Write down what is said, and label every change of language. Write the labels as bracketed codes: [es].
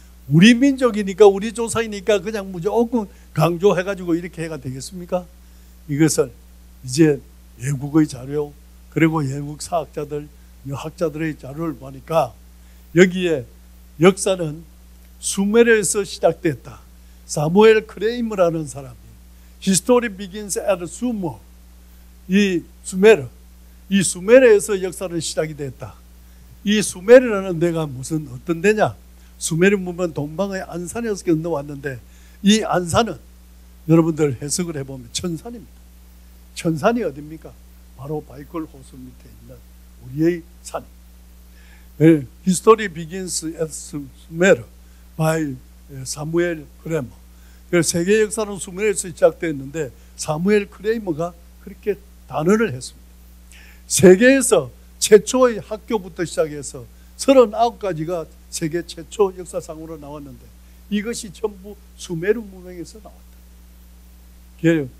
[ko] 우리 민족이니까 우리 조상이니까 그냥 무조건 강조해가지고 이렇게 해가 되겠습니까? 이것을 이제 외국의 자료 그리고 외국 사학자들 학자들의 자료를 보니까 여기에 역사는 수메르에서 시작됐다. 사무엘 크레이머라는 사람이 [en] History begins at Sumer. [ko] 이 수메르, 이 수메르에서 역사는 시작이 됐다. 이 수메르라는 데가 무슨 어떤 데냐? 수메르 문명 동방의 안산에서 건너왔는데 이 안산은 여러분들 해석을 해보면 천산입니다. 천산이 어딥니까? 바로 바이콜 호수 밑에 있는 우리의 산. [en] History begins at Sumer by Samuel Cramer. [ko] 세계 역사는 수메르에서 시작되었는데 사무엘 크레이머가 그렇게 단언을 했습니다. 세계에서 최초의 학교부터 시작해서 39가지가 세계 최초 역사상으로 나왔는데 이것이 전부 수메르 문명에서 나왔다.